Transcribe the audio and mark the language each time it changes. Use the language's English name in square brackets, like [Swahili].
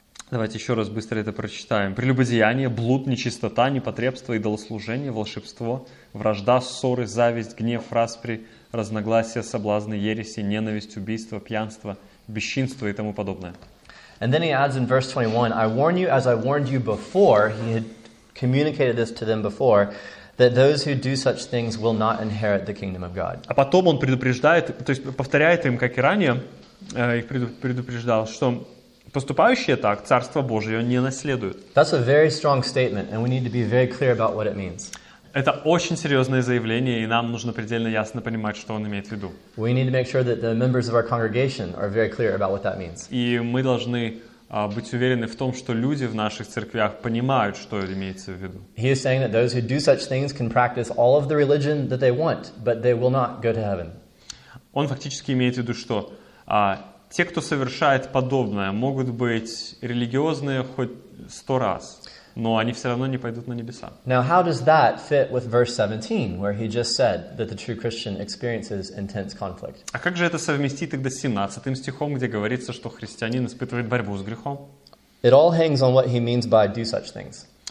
[Russian] Давайте еще раз быстро это прочитаем. Прелюбодеяние, блуд, нечистота, непотребство, идолослужение, волшебство, вражда, ссоры, зависть, гнев, распри, разногласия, соблазны, ереси, ненависть, убийство, пьянство, бесчинство и тому подобное. [English] And then he adds in verse 21, I warn you as I warned you before, he had communicated this to them before, that those who do such things will not inherit the kingdom of God. [Russian] А потом он предупреждает, то есть повторяет им, как и ранее, их предупреждал, что поступающие так Царство Божие не наследуют. [English] That's a very strong statement, and we need to be very clear about what it means. [Russian] Это очень серьезное заявление, и нам нужно предельно ясно понимать, что он имеет в виду. [English] We need to make sure that the members of our congregation are very clear about what that means. [Russian] И мы должны быть уверены в том, что люди в наших церквях понимают, что имеется в виду. [English] He is saying that those who do such things can practice all of the religion that they want, but they will not go to heaven. [Russian] Он фактически имеет в виду, что те, кто совершает подобное, могут быть религиозные хоть 100 раз, но они все равно не пойдут на небеса. [English] Now, how does that fit with verse 17, where he just said that the true Christian experiences intense conflict? [Russian] А как же это совместить тогда с 17 стихом, где говорится, что христианин испытывает борьбу с грехом? [English] It all hangs on what he means by do such things.